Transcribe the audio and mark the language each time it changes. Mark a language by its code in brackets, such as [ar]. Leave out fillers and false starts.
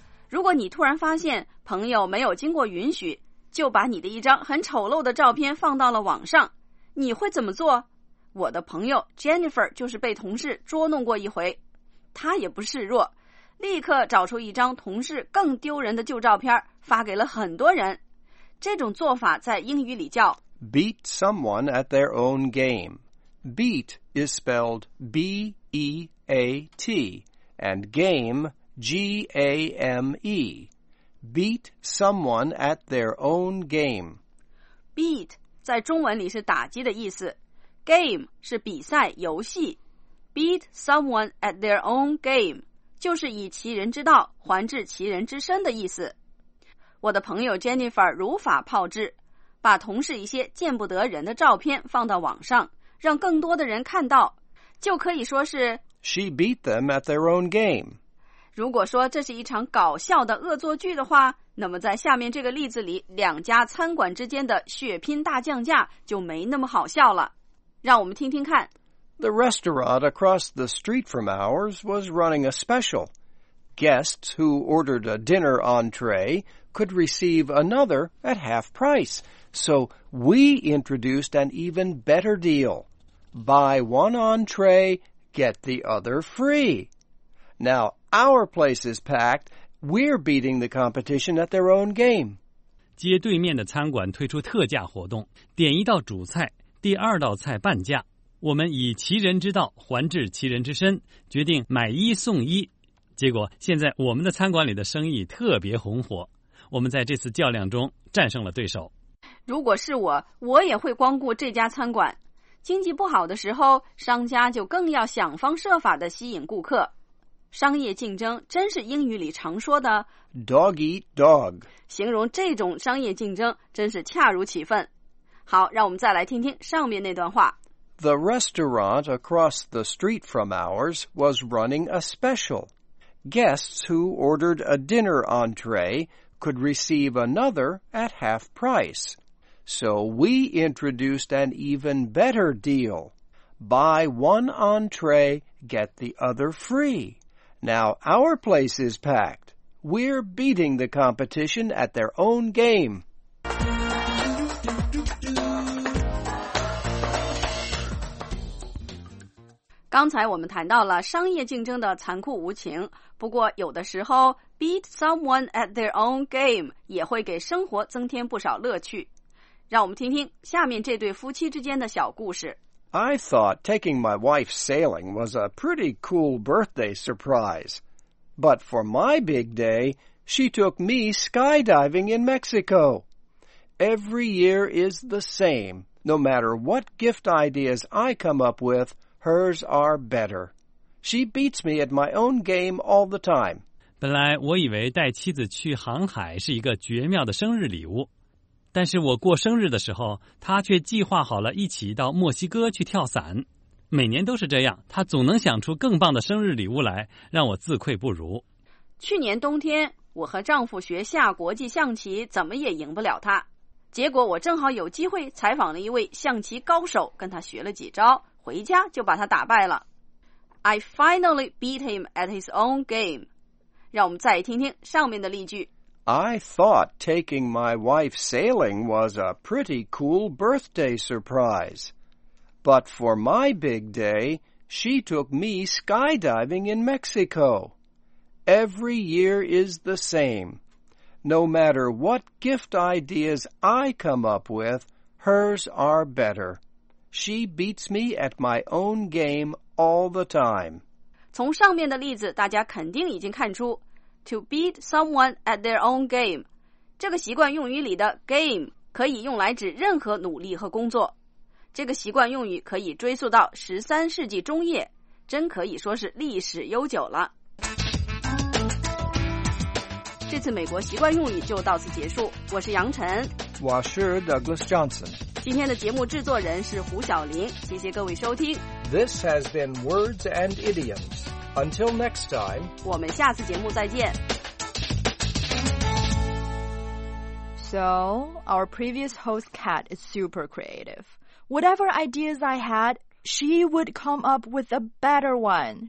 [zh] 如果你突然发现朋友没有经过允许，就把你的一张很丑陋的照片放到了网上，你会怎么做？我的朋友 Jennifer 就是被同事捉弄过一回，她也不示弱，立刻找出一张同事更丢人的旧照片发给了很多人。这种做法在英语里叫 [en] Beat someone at their own game. Beat is spelled B-E-A-T and game G-A-M-E. Beat someone at their own game. [zh] Beat 在中文里是打击的意思，Game 是比赛游戏， [en] Beat someone at their own game [zh] 就是以其人之道还治其人之身的意思。我的朋友 Jennifer 如法炮制，把同事一些见不得人的照片放到网上，让更多的人看到，就可以说是 [en] She beat them at their own game。 [zh] 如果说这是一场搞笑的恶作剧的话，那么在下面这个例子里，两家餐馆之间的血拼大降价就没那么好笑了。让我们听听看。 [en] The restaurant across the street from ours was running a special. Guests who ordered a dinner entree could receive another at half price. So we introduced an even better deal. Buy one entree, get the other free. Now our place is packed. We're beating the competition at their own game. [zh] 街对面的餐馆推出特价活动，点一道主菜，第二道菜半价，我们以其人之道还治其人之身，决定买一送一。结果现在我们的餐馆里的生意特别红火，我们在这次较量中战胜了对手。如果是我，我也会光顾这家餐馆。经济不好的时候，商家就更要想方设法的吸引顾客。商业竞争真是英语里常说的 [en] dog eat dog， [zh] 形容这种商业竞争真是恰如其分。好，让我们再来听听上面那段话。 [en] The restaurant across the street from ours was running a special. Guests who ordered a dinner entree could receive another at half price. So we introduced an even better deal. Buy one entree, get the other free. Now our place is packed. We're beating the competition at their own game. [zh] 刚才我们谈到了商业竞争的残酷无情，不过有的时候 [en] beat someone at their own game [zh] 也会给生活增添不少乐趣。让我们听听下面这对夫妻之间的小故事。 [en] I thought taking my wife sailing was a pretty cool birthday surprise. But for my big day, she took me skydiving in Mexico. Every year is the same. No matter what gift ideas I come up withHers are better. She beats me at my own game all the time. [zh] 本来我以为带妻子去航海是一个绝妙的生日礼物，但是我过生日的时候，她却计划好了一起到墨西哥去跳伞。每年都是这样，他总能想出更棒的生日礼物来，让我自愧不如。去年冬天，我和丈夫学下国际象棋，怎么也赢不了他。结果我正好有机会采访了一位象棋高手，跟他学了几招，回家就把他打败了。 [en] I finally beat him at his own game. [zh] 让我们再听听上面的例句。 [en] I thought taking my wife sailing was a pretty cool birthday surprise. But for my big day, she took me skydiving in Mexico. Every year is the same. No matter what gift ideas I come up with, hers are better. She beats me at my own game all the time. [zh] 从上面的例子，大家肯定已经看出 [en] To beat someone at their own game. [zh] 这个习惯用语里的 game 可以用来指任何努力和工作。这个习惯用语可以追溯到13世纪中叶，真可以说是历史悠久了。这次美国习惯用语就到此结束。我是杨晨。我是 Douglas Johnson。今天的节目制作人是胡晓玲。谢谢各位收听。 [en] This has been Words and Idioms. Until next time, [zh] 我们下次节目再见。 [en] So, our previous host cat is super creative. Whatever ideas I had, she would come up with a better one.